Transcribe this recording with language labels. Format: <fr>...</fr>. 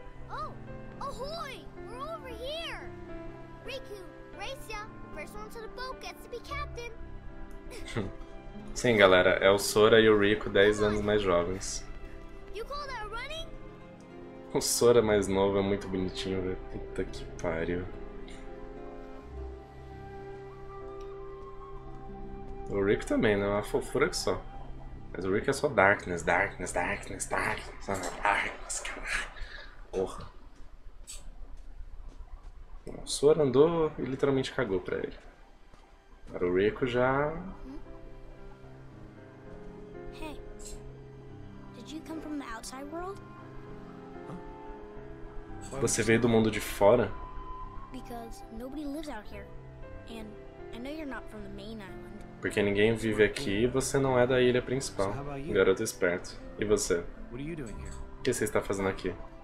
<en>Oh! Ahoy! We're over here! Riku, Raisa, first one to the boat gets to be captain.</en> <pt>Sim, galera, é o Sora e o Riku 10 anos mais jovens.</pt> <en>You call that running?</en> <pt>O Sora mais novo é muito bonitinho, velho. Puta que pariu. O Riku também, né? Uma fofura que só. Mas o Riku é só darkness, darkness, darkness, darkness, darkness, caralho. Porra. O Sora andou e literalmente cagou pra ele. Agora o Riku já...</pt> <en>Hey, did you come from the outside world?</en> <pt>Você veio do mundo de fora?</pt> <en>Because nobody lives out here. And I know you're not from the main island.</en> <pt>Porque ninguém vive aqui e você não é da ilha principal. Garoto esperto. E você? O que você está fazendo aqui?</pt>